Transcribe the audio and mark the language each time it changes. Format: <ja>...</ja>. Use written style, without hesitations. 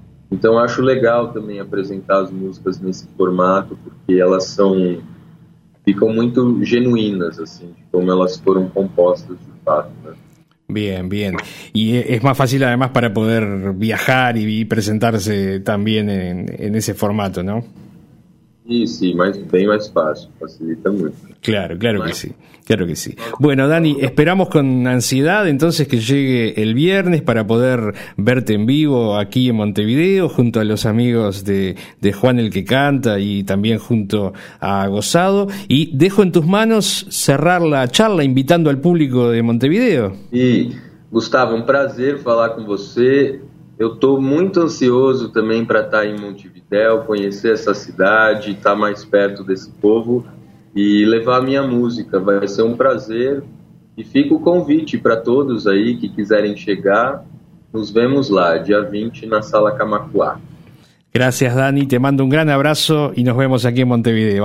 <pt>Então acho legal também apresentar as músicas nesse formato, porque elas ficam muito genuínas, assim, como elas foram compostas de fato, né?</pt> <es>Bien, bien. Y es más fácil además para poder viajar y presentarse también en ese formato, ¿no? Sí, más, bien más fácil, facilita mucho. Claro, claro que sí, claro que sí. Bueno, Dani, esperamos con ansiedad entonces que llegue el viernes para poder verte en vivo aquí en Montevideo junto a los amigos de Juan el que canta y también junto a Gozado. Y dejo en tus manos cerrar la charla invitando al público de Montevideo. Y Gustavo, un placer hablar con usted.</es> <pt>Eu estou muito ansioso também para estar em Montevidéu, conhecer essa cidade, estar mais perto desse povo e levar a minha música. Vai ser um prazer. E fica o convite para todos aí que quiserem chegar. Nos vemos lá, dia 20, na Sala Camacuá.</pt> <es>Gracias, Dani. Te mando un gran abrazo y nos vemos aquí en Montevideo.</es>